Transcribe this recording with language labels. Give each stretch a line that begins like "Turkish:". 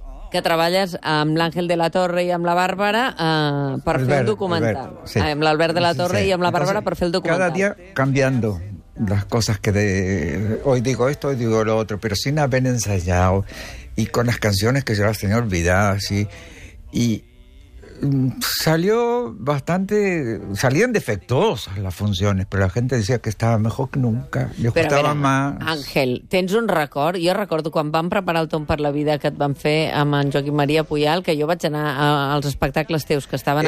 Catalan: Que treballes amb l'Àngel de la Torre i amb la Bàrbara per Albert, fer el documental. Albert, sí. Amb l'Albert de la Torre, sí, sí, sí, i amb la Bàrbara. Entonces, per fer el documental.
Spanish: Cada dia cambiando las cosas que de... Hoy digo esto, hoy digo lo otro, pero sin haber ensayado y con las canciones que yo las tenía olvidadas. Y salió bastante... Salían defectuosas las funciones, pero la gente decía que estaba mejor que nunca. Les gustaba más.
Catalan: Àngel, tens un record? Jo recordo quan vam preparar el Tomb per la vida que et van fer amb en Joaquim Maria Puyal, que jo vaig anar als espectacles teus que estaven